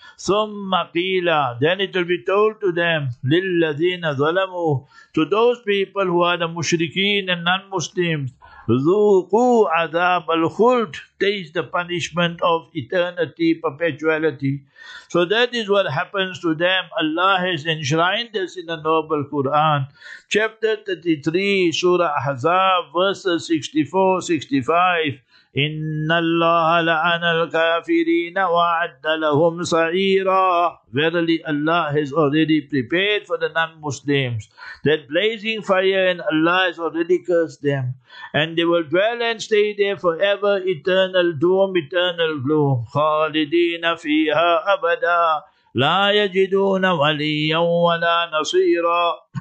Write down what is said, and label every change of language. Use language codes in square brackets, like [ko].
[ar] ثُمَّ قِيلَ, [en] then it will be told to them, [ar] لِلَّذِينَ ظَلَمُوا, [en] to those people who are the mushrikeen and non-Muslims, [ar] ذُوقُوا عَذَابَ الْخُلْدِ, [en] taste the punishment of eternity, perpetuality. So that is what happens to them. Allah has enshrined this in the noble Quran. Chapter 33, Surah Ahzab, verses 64, 65, [ar] إِنَّ اللَّهَ لَعَنَ الْكَافِرِينَ وَعَدَّ لَهُمْ سَعِيرًا. [en] Verily Allah has already prepared for the non-Muslims that blazing fire, and Allah has already cursed them. And they will dwell and stay there forever, eternal doom, eternal gloom. [ar] خَالِدِينَ فِيهَا أَبَدًا لَا يَجِدُونَ وَلِيًّا وَلَا نَصِيرًا.